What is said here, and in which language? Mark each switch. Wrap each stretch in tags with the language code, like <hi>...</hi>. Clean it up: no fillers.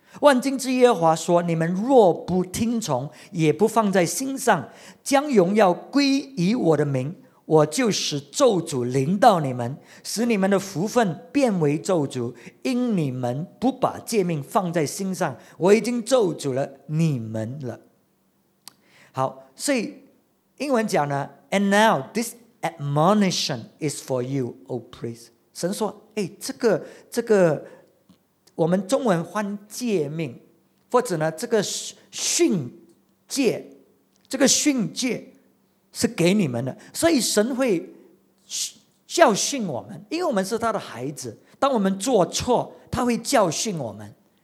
<zh>万军之耶和华说，你们若不听从，也不放在心上，将荣耀归于我的名，我就使咒诅临到你们，使你们的福分变为咒诅，因你们不把诫命放在心上，我已经咒诅了你们了。好，所以英文讲呢，</zh> <en>And now this admonition is for you, O priest.</en> <zh>神说，哎，这个我们中文翻诫命，或者呢这个训诫，这个训诫是给你们的。所以神会教训我们，因为我们是他的孩子，当我们做错，他会教训我们。</zh>